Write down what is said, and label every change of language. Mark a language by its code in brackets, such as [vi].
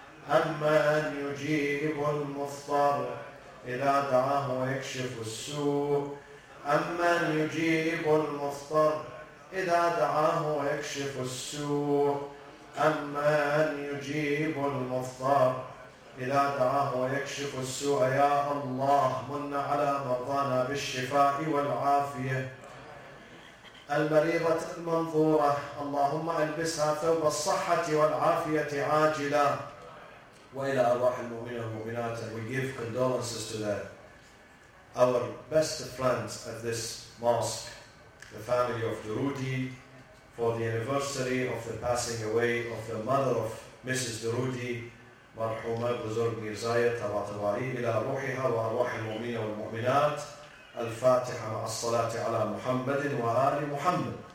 [ar] أمن يجيب المضطر إذا دعاه ويكشف السوء أمن يجيب المضطر إذا دعاه ويكشف السوء أمن يجيب المضطر إذا دعاه ويكشف السوء يا الله من على مرضانا بالشفاء والعافية المريضة المنظورة اللهم ألبسها ثوب الصحة والعافية عاجلا وإلى أرواح المؤمنين والمؤمنات. [en] We give condolences to that. Our best friends at this mosque, the family of Durudi, for the anniversary of the passing away of the mother of Mrs. [ar] Durudi, مرحومة بزرق مرزاية طباطبائي إلى روحها وأرواح المؤمنين والمؤمنات. الفاتحة مع الصلاة على محمد وآل محمد.